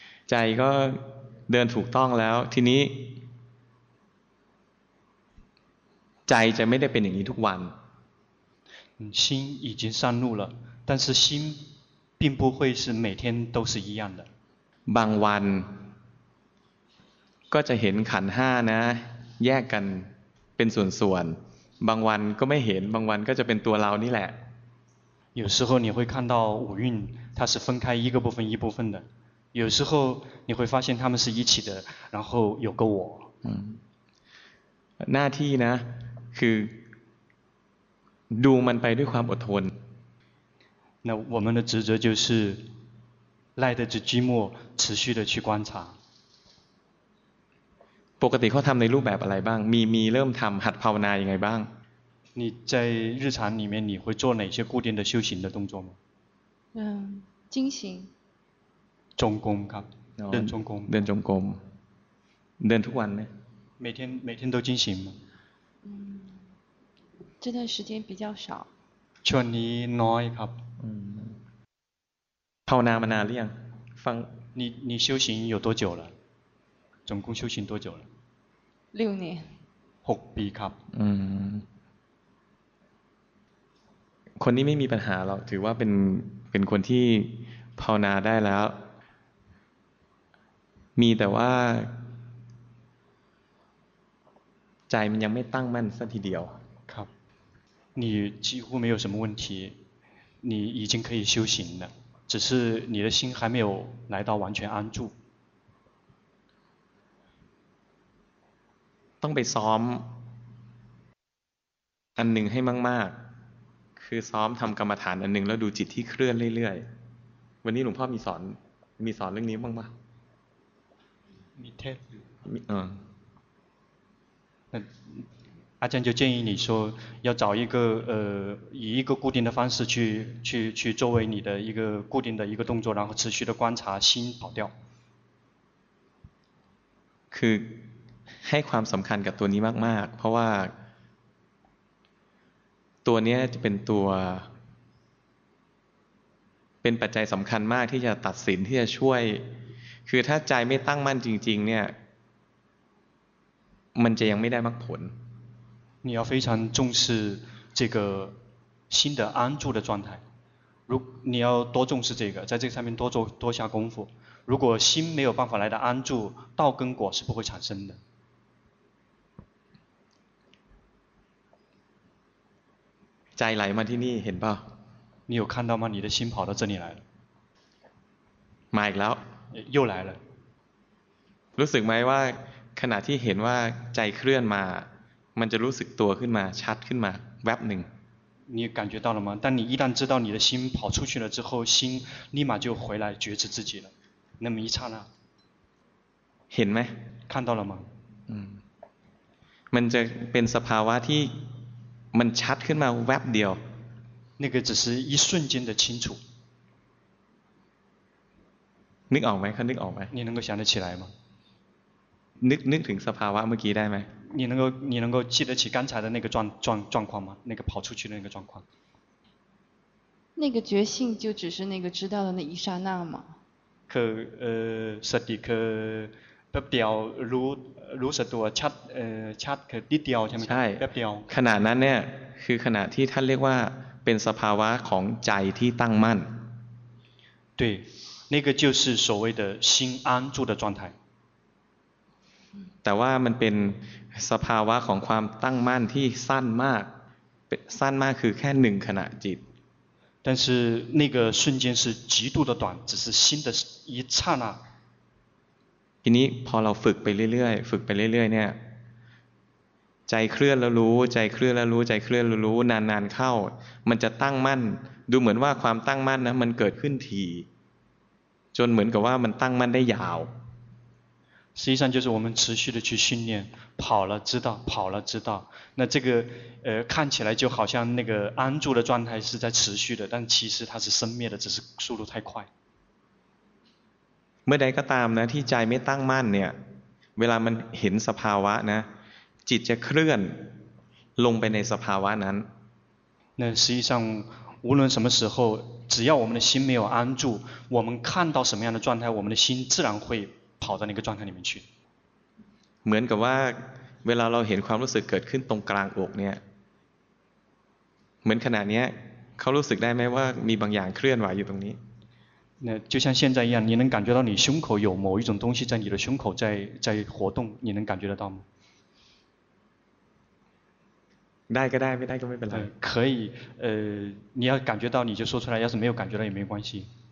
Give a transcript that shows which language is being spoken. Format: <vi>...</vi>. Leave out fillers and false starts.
<th>ใจก็เดินถูกต้องแล้วทีนี้ใจจะไม่ได้เป็นอย่างนี้ทุกวัน</th> <zh>心已经上路了但是心并不会是每天都是一样的</zh> <th>บางวันก็จะเห็นขันห้านะแยกกันเป็นส่วนๆบางวันก็ไม่เห็นบางวันก็จะเป็นตัวเรานี่แหละ</th> <zh>有时候你会看到五蕴它是分开一个部分一部分的，有时候你会发现它们是一起的，然后有个我。</zh> <th>หน้าที่นะคือดูมันไปด้วยความอดทน</th> <zh>那我们的职责就是耐得住寂寞，持续的去观察。</zh> <th>ปกติเขาทำในรูปแบบอะไรบ้างมีเริ่มทำหัดภาวนายังไงบ้าง</th> <zh>你在日常里面你会做哪些固定的修行的动作吗？精行。中功</zh> <th>ครับ เดินจงกรม เดินจงกรม เดินทุกวันไหม</th> <zh>每天都进行吗？这段时间比较少。</zh> <th>ช่วงนี้น้อยครับ ภาวนามานานหรือยัง ฟัง</th> <zh>你修行有多久了？总共修行多久了？六年。</zh> <th>6ปีครับ คนนี้ไม่มีปัญหาหรอกถือว่าเป็นคนที่ภาวนาได้แล้วมีแต่ว่าใจมันยังไม่ตั้งมั่นสักทีเดียว ครับ</th> <zh>你几乎没有什么问题你已经可以修行了只是你的心还没有来到完全安住</zh> <th>ต้องไปซ้อมอันหนึ่งให้มากๆคือซ้อมทำกรรมฐานอันหนึ่งแล้วดูจิตที่เคลื่อนเรื่อยๆวันนี้หลวงพ่อมีสอนเรื่องนี้บ้างป่ะ มีเทศ</th> <zh>那阿江就建议你说要找一个以一个固定的方式去作为你的一个固定的一个动作然后持续的观察心跑掉</zh> <th>คือให้ความสำคัญกับตัวนี้มากๆเพราะว่าตัวนี้จะเป็นปัจจัยสำคัญมากที่จะตัดสินที่จะช่วยคือถ้าใจไม่ตั้งมั่นจริงๆเนี่ยมันจะยังไม่ได้มรรคผล</th> <zh>你要非常重视这个心的安住的状态如你要多重视这个在这上面多做多下功夫如果心没有办法来的安住道跟果是不会产生的</zh> <th>ใจไหลมาที่นี่เห็นป่ะ</th> <zh>你有看到吗你的心跑到这里来了</zh> <th>มาอีกแล้ว</th> <zh>又来了</zh> <th>รู้สึกไหมว่าขณะที่เห็นว่าใจเคลื่อนมามันจะรู้สึกตัวขึ้นมาชัดขึ้นมาแวบหนึ่ง</th> <zh>你感觉到了吗但你一旦知道你的心跑出去了之后心立马就回来觉知自己了那么一刹那</zh> <th>เห็นไหม</th> <zh>看到了吗</zh> <th>มันจะเป็นสภาวะที่มันชัดขึ้นมาแวบเดียว</th> <zh>那个只是一瞬间的清楚</zh> <th>นึกออกไหมคะนึกออกไหม</th> <zh>你能够想得起来吗</zh> <th>นึกถึงสภาวะเมื่อกี้ได้ไหม</th> <zh>你能够记得起刚才的那个状况吗那个跑出去的那个状况那个觉性就只是那个知道的那一刹那吗</zh> <th>คือสติคือแป๊บเดียวรู้สักตัวชัดชัดคือนิดเดียวใช่ไหม ใช่ แป๊บเดียว ขณะนั้นเนี่ยคือขณะที่ท่านเรียกว่าเป็นสภาวะของใจที่ตั้งมั่น</th> <zh>对那个就是所谓的心安住的状态</zh> <th>แต่ว่ามันเป็นสภาวะของความตั้งมั่นที่สั้นมากสั้นมากคือแค่หนึ่งขณะจิต</th> <zh>但是那个瞬间是极度的短只是心的一刹那</zh> <th>ทีนี้พอเราฝึกไปเรื่อยเนี่ยใจเคลื่อนแล้วรู้ใจเคลื่อนแล้วรู้ใจเคลื่อนแล้วรู้นานๆเข้ามันจะตั้งมั่นดูเหมือนว่าความตั้งมั่นนะมันเกิดขึ้นทีจนเหมือนกับว่ามันตั้งมั่นได้ยาว</th> <zh>实际上就是我们持续的去训练跑了知道跑了知道那这个看起来就好像那个安住的状态是在持续的但其实它是生灭的只是速度太快</zh> <th>เมื่อใดก็ตามนะที่ใจไม่ตั้งมั่นเนี่ยเวลามันเห็นสภาวะนะจิตจะเคลื่อนลงไปในสภาวะนั้น</th> <zh>那实际上无论什么时候只要我们的心没有安住我们看到什么样的状态我们的心自然会跑到那个状态里面去</zh> <th>เหมือนกับว่าเวลาเราเห็นความรู้สึกเกิดขึ้นตรงกลางอกเนี่ยเหมือนขณะนี้เขารู้สึกได้ไหมว่ามีบางอย่างเคลื่อนไหวอยู่ตรงนี้</th> <zh>那就像现在一样你能感觉到你胸口有某一种东西在你的胸口在活动你能感觉得到吗</zh> <th>ได้ก็ได้ไม่ได้ก็ไม่เป็นไร</th> <zh>可以你要感觉到你就说出来要是没有感觉到也没关系</zh>